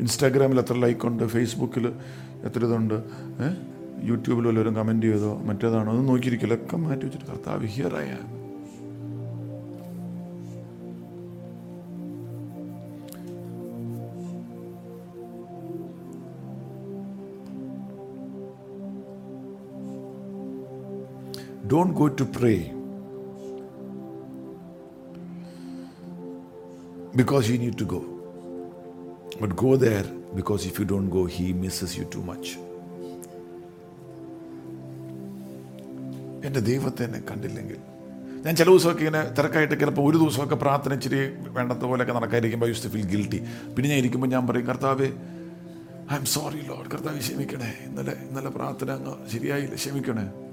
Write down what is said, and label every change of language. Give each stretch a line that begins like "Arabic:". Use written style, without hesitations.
Malayalam: ഇൻസ്റ്റാഗ്രാമിൽ എത്ര ലൈക്ക് ഉണ്ട്, ഫേസ്ബുക്കിൽ എത്ര ഇതുണ്ട്, യൂട്യൂബിൽ വല്ലവരും കമൻറ്റ് ചെയ്തോ മറ്റേതാണോ ഒന്നും നോക്കിയിരിക്കില്ല, ഒക്കെ മാറ്റി വെച്ചിട്ട് കർത്താവ് ഹിയറായ
English: Don't go to pray because you need to go. But go there because if you don't go, he misses you too much.
Malayalam: എൻ്റെ ദൈവത്തെ എന്നെ കണ്ടില്ലെങ്കിൽ ഞാൻ ചില ദിവസമൊക്കെ ഇങ്ങനെ തിരക്കായിട്ട് ചിലപ്പോൾ ഒരു ദിവസമൊക്കെ പ്രാർത്ഥന ഇച്ചിരി വേണ്ടത് പോലെയൊക്കെ നടക്കാതിരിക്കുമ്പോൾ
English: Use to feel guilty.
Malayalam: പിന്നെ ഞാൻ ഇരിക്കുമ്പോൾ ഞാൻ പറയും, കർത്താവേ
English: I am sorry lord,
Malayalam: കർത്താവ് ക്ഷമിക്കണേ, ഇന്നലെ പ്രാർത്ഥന അങ്ങ് ശരിയായില്ല, ക്ഷമിക്കണേ.